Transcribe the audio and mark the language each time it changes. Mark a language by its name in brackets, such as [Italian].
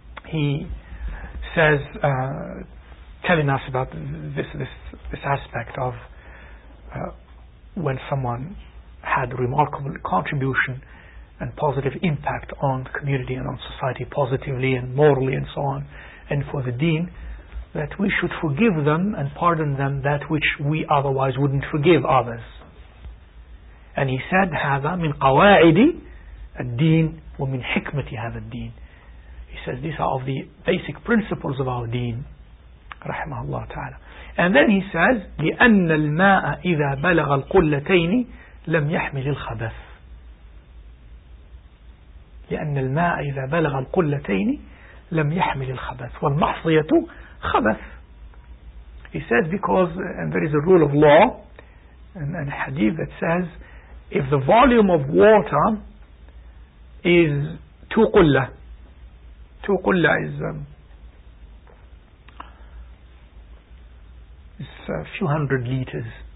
[English] He says, telling us about this aspect of when someone had remarkable contribution and positive impact on the community and on society, positively and morally and so on, and for the deen, that we should forgive them and pardon them that which we otherwise wouldn't forgive others. And he said, [Arabic] هذا من قواعد الدين ومن حكمة هذا الدين. [English] He says, these are of the basic principles of our deen, [Arabic] رحمه الله تعالى. [English] And then he says, [Arabic] لأن الماء إذا بلغ القلتين لم يحمل الخبث. لأن الماء إذا بلغ القلتين لم يحمل الخبث والمحصية خبث. [English] He says, because and there is a rule of law and a hadith that says, if the volume of water is two qulla is it's a few hundred liters.